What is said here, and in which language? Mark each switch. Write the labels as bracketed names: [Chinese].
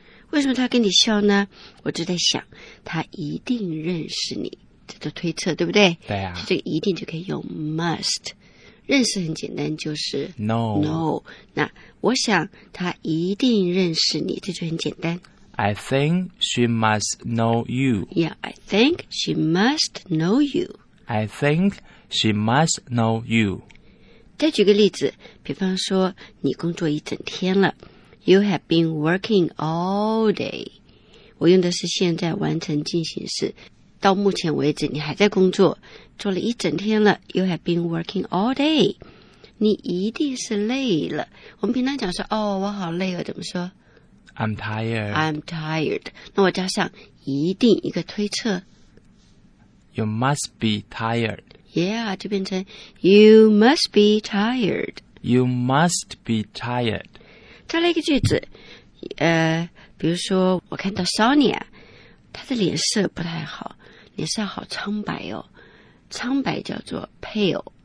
[Chinese] 为什么她跟你笑呢？我就在想她一定认识你，这都推测对不对？对啊，这个一定就可以用 must。认识很简单，就是 [English] no。 [Chinese] 那我想他一定认识你，这就很简单。 [English] I think she must know you. Yeah, I think she must know you. I think she must know you. [Chinese] 再举个例子，比方说你工作一整天了 ， [English] You have been working all day. [Chinese] 我用的是现在完成进行式。到目前为止你还在工作，做了一整天了， [English] You have been working all day， [Chinese] 你一定是累了。我们平常讲说哦，我好累哦，怎么说？ [English] I'm tired。 [Chinese] 那我加上一定一个推测， [English] You must be tired. Yeah， [Chinese] 就变成 [English] You must be tired. You must be tired. [Chinese] 再来一个句子，比如说我看到 Sonia， 她的脸色不太好，脸色好苍白哦，苍白叫做 pale。